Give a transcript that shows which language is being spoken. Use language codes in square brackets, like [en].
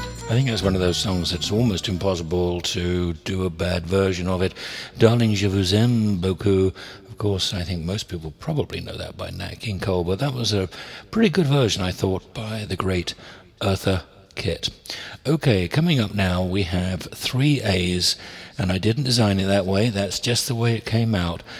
[en] I think that's one of those songs that's almost impossible to do a bad version of it. [fr] Darling, je vous aime beaucoup. [en] Of course, I think most people probably know that by Nat King Cole, but that was a pretty good version, I thought, by the great Eartha Kitt. Okay, coming up now, we have three A's, and I didn't design it that way. That's just the way it came out.